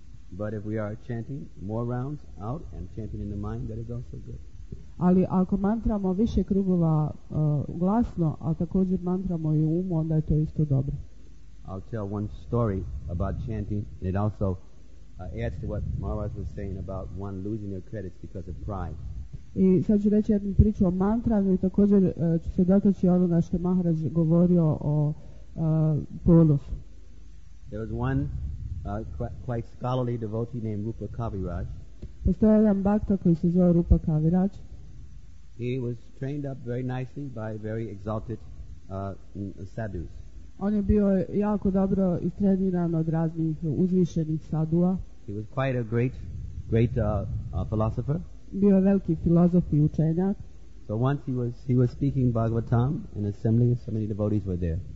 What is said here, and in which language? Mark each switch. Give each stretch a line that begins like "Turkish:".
English: But if we are chanting more rounds out and chanting in the mind, that is also good.
Croatian: Ali ako mantramo više krugova glasno, a također mantramo i umu, onda je to isto dobro.
English: I'll tell one story about chanting, and it also adds to what Maharaj was saying about one losing their credits because of pride.
Croatian: I sad ću reći jednu priču o mantranju i također ću se dotaći onoga što Maharaj govorio o ponosu.
English: There was one quite scholarly devotee named Rupa Kaviraj.
Croatian: Postoje jedan bhakta koji se zove Rupa Kaviraj.
English: He was trained up very nicely by very exalted sadhus.
Croatian: On je bio jako dobro istreniran od raznih uzvišenih sadhua.
English: He was quite a great philosopher.
Croatian: Bio je veliki filozof i učenjak.
English: So once he was speaking Bhagavatam in assembly, so many devotees were there.